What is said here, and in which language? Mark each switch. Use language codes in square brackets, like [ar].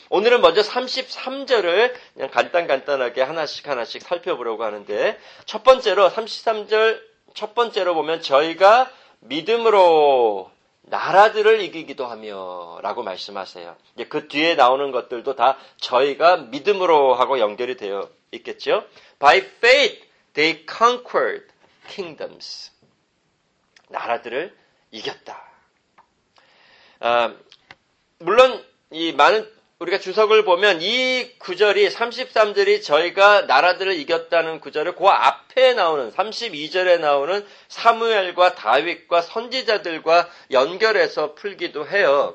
[ko] 오늘은 먼저 33절을 그냥 간단간단하게 하나씩 하나씩 살펴보려고 하는데 첫 번째로 33절 첫 번째로 보면 저희가 믿음으로 나라들을 이기기도 하며 라고 말씀하세요. 이제 그 뒤에 나오는 것들도 다 저희가 믿음으로 하고 연결이 되어 있겠죠. [en] By faith they conquered kingdoms. [ko] 나라들을 이겼다. 물론 이 많은 우리가 주석을 보면 이 구절이 33절이 저희가 나라들을 이겼다는 구절을 그 앞에 나오는 32절에 나오는 사무엘과 다윗과 선지자들과 연결해서 풀기도 해요.